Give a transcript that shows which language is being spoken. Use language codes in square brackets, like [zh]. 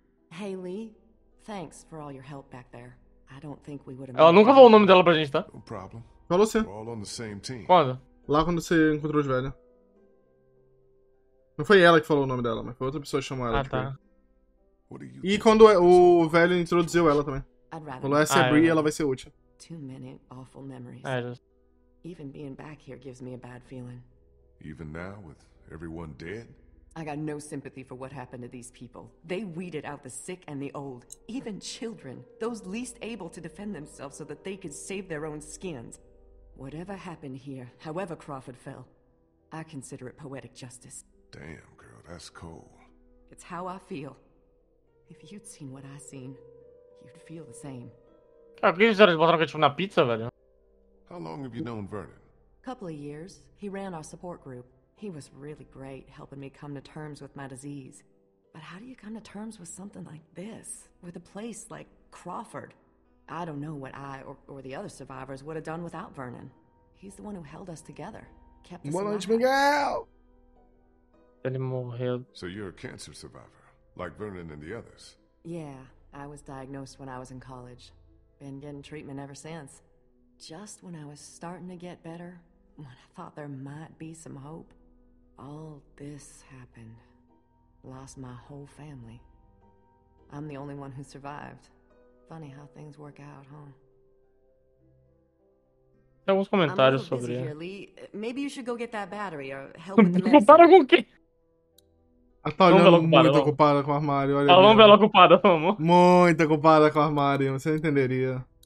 [en] Hey Lee, thanks for all your help back there. I don't think we would have. [pt] Ela nunca falou o nome dela pra gente, tá? [en] No problem. [pt] Falou sim. Quando? Lá quando você encontrou os velhos. Não foi ela que falou o nome dela, mas foi outra pessoa que chamou ela. Ah, tá. E quando o velho introduziu ela também. Falou, essa é Bree, ela vai ser útil. [en] Too many awful memories. Even being back here gives me a bad feeling. Even now with everyone dead? I got no sympathy for what happened to these people. They weeded out the sick and the old, even children, those least able to defend themselves so that they could save their own skins. Whatever happened here, however Crawford fell, I consider it poetic justice. Damn, girl, that's cold. It's how I feel. If you'd seen what I seen, you'd feel the same. [pt] Cara, por que vocês botaram ketchup na pizza, velho? [en] How long have you known Vernon? Couple of years. He ran our support group. He was really great, helping me come to terms with my disease. But how do you come to terms with something like this? With a place like Crawford? I don't know what I or the other survivors would have done without Vernon. He's the one who held us together, kept us alive. Miguel! [pt] Ele morreu. [en] So you're a cancer survivor, like Vernon and the others. Yeah, I was diagnosed when I was in college. Been getting treatment ever since. Just when I was starting to get better, when I thought there might be some hope, all this happened. Lost my whole family. I'm the only one who survived. Funny how things work out, huh? [pt] Tem alguns comentários sobre isso. [en] Maybe you should go get that battery or help with the medicine. [pt] Para com o quê? Ela tá olhando muito ocupada com o armário, olha. Ela não vê ela ocupada, vamos. Muito ocupada com o armário, você não entenderia.